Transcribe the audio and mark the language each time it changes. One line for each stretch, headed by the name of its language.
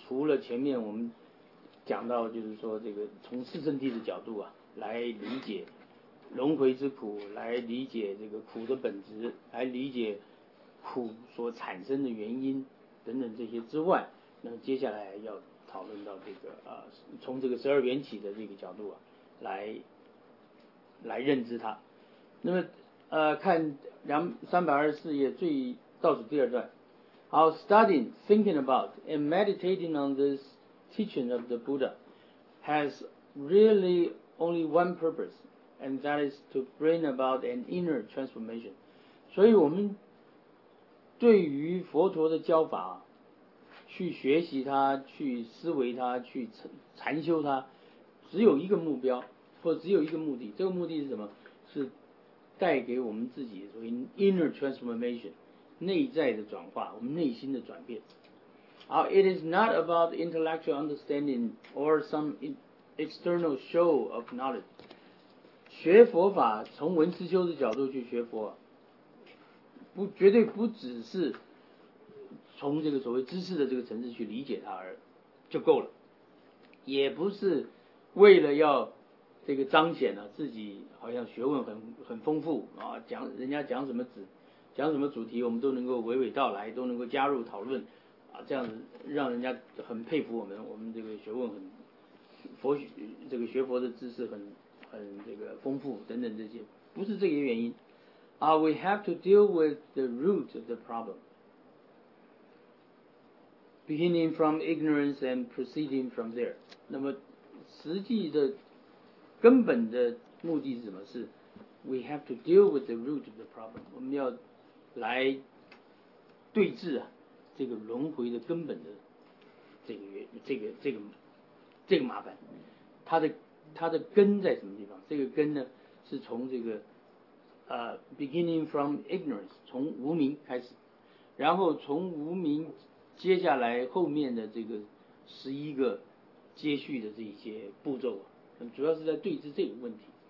Chinese: 除了前面我们讲到，就是说这个从四圣谛的角度啊来理解轮回之苦，来理解这个苦的本质，来理解苦所产生的原因等等这些之外，那接下来要讨论到这个从这个十二缘起的这个角度啊来认知它。那么看324页最倒数第二段。
English: Our studying, thinking about and meditating on thisteaching of the Buddha has really only one purpose, and that is to bring about an inner transformation.
Chinese: 所以我们对于佛陀的教法，去学习它，去思维它，去禅修它，只有一个目标，或只有一个目的。这个目的是什么？是带给我们自己所谓
English: inner transformation,
Chinese: 内在的转化，我们内心的转变。
English: It is not about intellectual understanding or some external show of knowledge.
Chinese: 学佛法，从文思修的角度去学佛，不，绝对不只是从这个所谓知识的这个层次去理解它而就够了，也不是为了要这个彰显了自己好像学问很丰富啊，讲人家讲什么讲什么主题，我们都能够娓娓道来，都能够加入讨论。这样子让人家很佩服我们这个学问很佛学，这个学佛的知识很这个丰富等等，这些不是这个原因。
English: We have to deal with the root of the problem, beginning from ignorance and proceeding from there.
Chinese: 那么实际的根本的目的是什么？
English: 是 We have to deal with the root of the problem.
Chinese: 我们要来对峙啊这个轮回的根本的这个麻烦，它的根在什么地方？这个根呢，是从这个
English: beginning from ignorance,
Chinese: 从无明开始，然后从无明接下来后面的这个十一个接续的这些步骤，主要是在对峙这个问题。